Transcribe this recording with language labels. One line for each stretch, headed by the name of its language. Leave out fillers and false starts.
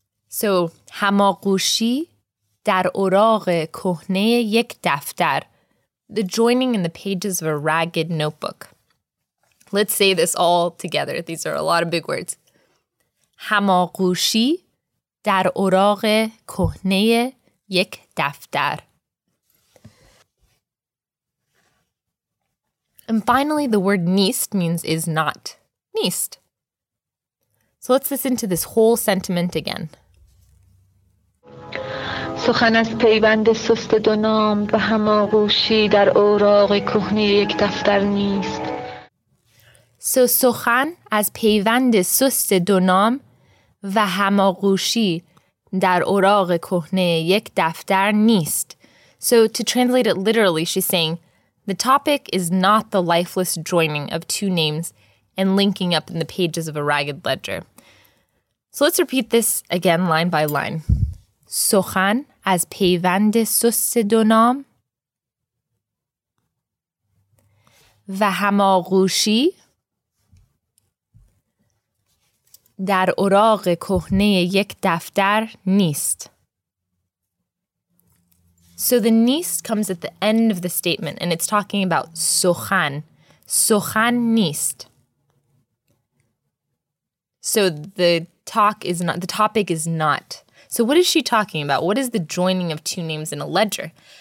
Persian: So هماغوشی در اوراق کهنه یک دفتر.
English: The joining in the pages of a ragged notebook. Let's say this all together. These are a lot of big words.
Persian: هماغوشی در اوراق کهنه یک دفتر.
English: And finally, the word نیست means is not.
Persian: نیست.
English: So let's listen to this whole sentiment again.
Persian: سخن از پیوند سست دو نام به هم آغوشی در اوراق کهنه یک دفتر نیست. So سخن از پیوند سست دو نام و هم آغوشی در اوراق کهنه یک دفتر نیست.
English: So to translate it literally, she's saying, the topic is not the lifeless joining of two names and linking up in the pages of a ragged ledger. So let's repeat this again line by line.
Persian: سخن از پیوند سست دو نام و هماغوشی در اوراق کهنه یک دفتر نیست.
English: So the نیست comes at the end of the statement and it's talking about سخن.
Persian: سخن نیست.
English: So the talk is not, the topic is not. So what is she talking about? What is the joining of two names in a ledger?